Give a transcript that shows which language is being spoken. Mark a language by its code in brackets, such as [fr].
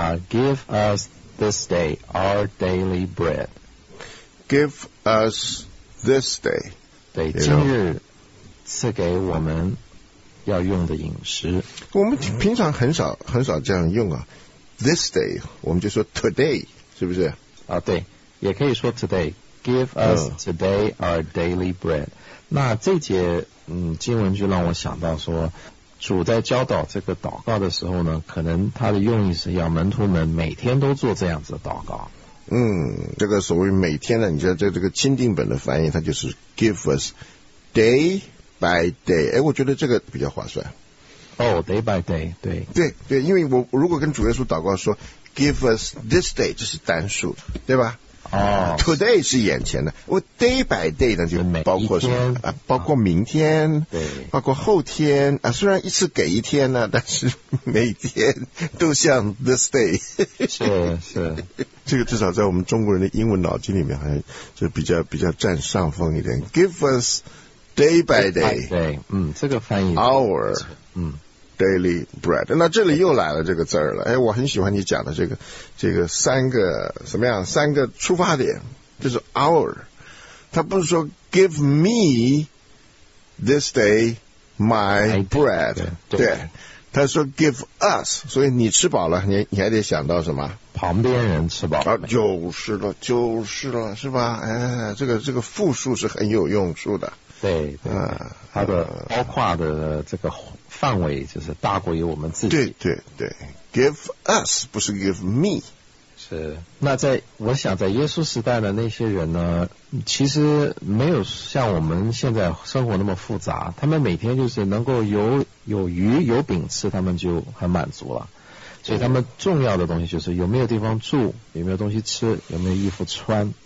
[en] Give us this day our daily bread。 Give us this day， [zh] 对，今日赐给我们要用的饮食。我们平常很少很少这样用啊 ， this day，我们就说 today， 是不是？ [en] 对，也可以说 today。Give us today our daily bread， [zh] 那这节经文就让我想到说，主在教导这个祷告的时候呢，可能他的用意是要门徒们每天都做这样子的祷告。这个所谓每天呢，你知道在这个钦定本的翻译，它就是 give us day by day。哎，我觉得这个比较划算。 [en] 哦、oh, ，day by day， 对。 [zh] 对对，因为我如果跟主耶稣祷告说 give us this day，这是单数，对吧？哦、，today 是眼前的，我 day by day 呢就包括什么啊？包括明天，啊、对，包括后天啊。虽然一次给一天呢，但是每天都像 this day。是是，这个至少在我们中国人的英文脑筋里面，好像就比较占上风一点。 [en] Give us day by day， [zh] 对，这个翻译 hour， daily bread，那这里又来了这个字儿了。哎，我很喜欢你讲的这个三个什么样？三个出发点，就是 hour。 [en] 他不是说 give me this day my bread， [zh] 对，他说 give us。所以你吃饱了，你还得想到什么？旁边人吃饱了啊，就是了，是吧？哎，这个复数是很有用处的。对，它的包括的这个范围就是大过于我们自己。对 ， give us 不是 give me。是，那我想在耶稣时代的那些人呢，其实没有像我们现在生活那么复杂，他们每天就是能够有鱼有饼吃，他们就很满足了。所以他们重要的东西就是有没有地方住，有没有东西吃，有没有衣服穿。